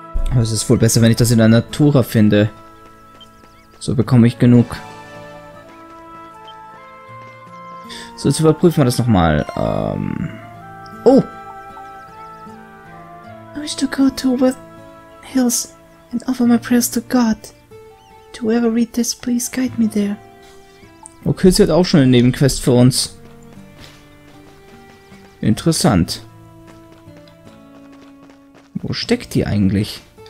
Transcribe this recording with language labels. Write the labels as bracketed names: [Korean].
[German] Aber es ist wohl besser, wenn ich das in der Natura finde. So bekomme ich genug. So, jetzt überprüfen wir das nochmal. Oh! [English] I wish to go to the hills and offer my prayers to God. To whoever read this, please guide me there. [German] Okay, sie hat auch schon eine Nebenquest für uns. Interessant. Wo steckt die eigentlich?